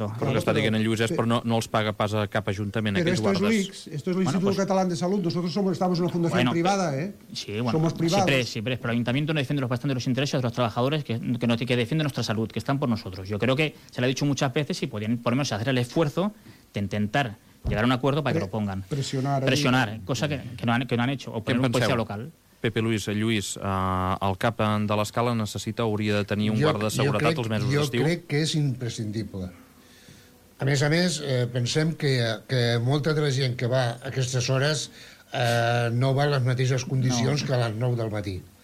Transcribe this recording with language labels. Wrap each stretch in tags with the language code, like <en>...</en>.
<ca>Però que està dient en Lluís, però no, no els paga pas a cap ajuntament, aquests guardes. Però</ca> <es>esto es l'Institut Català de Salut. Nosotros somos, estamos en una fundación privada, ¿eh? Sí, bueno. Somos privados. Sí, siempre, pero el ayuntamiento no defiende bastante los intereses de los trabajadores que defienden nuestra salud, que están por nosotros. Yo creo que se lo he dicho muchas veces y podrían, por lo menos, hacer el esfuerzo de intentar llegar a un acuerdo para que lo pongan. Presionar. Presionar, cosa que no han hecho. O poner un policía local.</es> <ca>Pepe Luis, Lluís, el cap de l'escala necessita, hauria de tenir un guarda de seguretat crec, els mesos d'estiu? Jo crec que és imprescindible. A més, pensem que molta de la gent que va a aquestes hores no va a les mateixes condicions no. Que a les 9 del matí.</ca>